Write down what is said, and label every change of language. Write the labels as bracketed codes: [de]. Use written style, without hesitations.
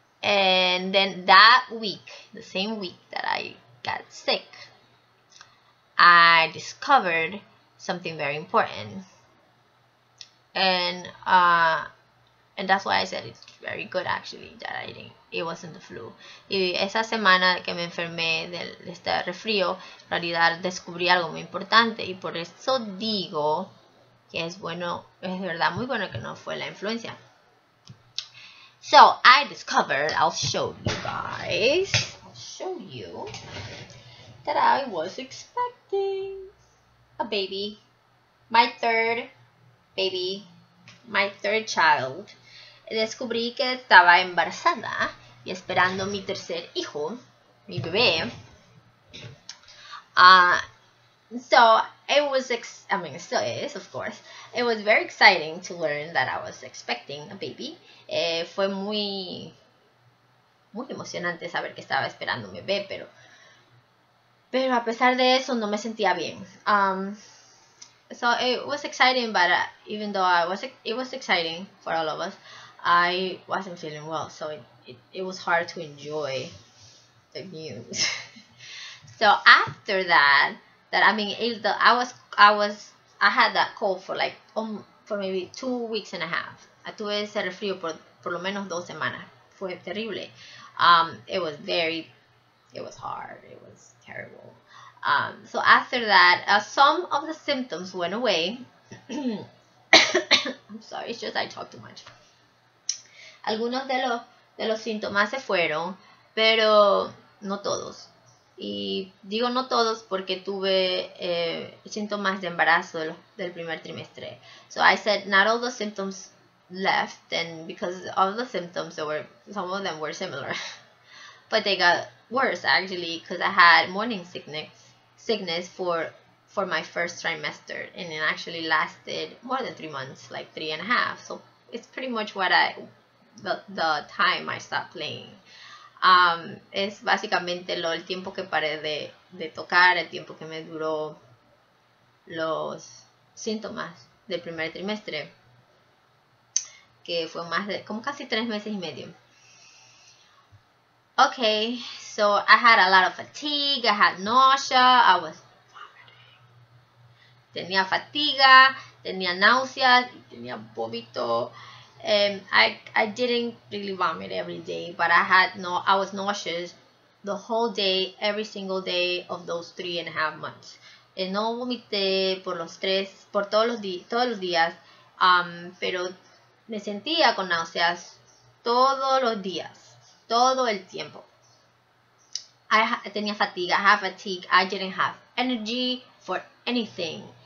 [en] And then that week, the same week that I got sick, I discovered something very important. And that's why I said it's very good, actually, that I didn't, it wasn't the flu. [es] Y esa semana que me enfermé de este resfrío, en realidad descubrí algo muy importante. Y por eso digo que es bueno, es de verdad muy bueno que no fue la influenza. [en] So, I discovered, I'll show you guys, I'll show you, that I was expecting a baby. My third baby, my third child. [es] Descubrí que estaba embarazada y esperando mi tercer hijo, mi bebé. So, [en] it was ex- I mean, it still is, of course. It was very exciting to learn that I was expecting a baby. [es] Fue muy, muy emocionante saber que estaba esperando un bebé, pero a pesar de eso, no me sentía bien. [en] So it was exciting, but even though it was exciting for all of us, I wasn't feeling well, so it was hard to enjoy the news. So after that, I mean, I had that cold for like for maybe 2 weeks and a half. [es] I tuve ese resfrío por lo menos 2 semanas. Fue terrible. [en] It was hard. It was terrible. So after that, some of the symptoms went away. I'm sorry, it's just I talk too much. [es] Algunos de los síntomas se fueron, pero no todos. Y digo no todos porque tuve síntomas de embarazo del primer trimestre. [en] So I said not all the symptoms left, and because of the symptoms, some of them were similar. But they got worse, actually, because I had morning sickness for my first trimester, and it actually lasted more than 3 months, like 3.5. So it's pretty much the time I stopped playing. [es] Es básicamente el tiempo que paré de tocar, el tiempo que me duró los síntomas del primer trimestre, que fue más de como casi 3 meses y medio. [en] Okay, so I had a lot of fatigue, I had nausea, I was vomiting. [es] Tenía fatiga, tenía náuseas, tenía vómito. [en] I didn't really vomit every day, but I was nauseous the whole day, every single day of those 3.5 months. [es] Y no vomité por todos los días, pero me sentía con náuseas todos los días. Todo el tiempo. [en] I had fatigue. I didn't have energy for anything.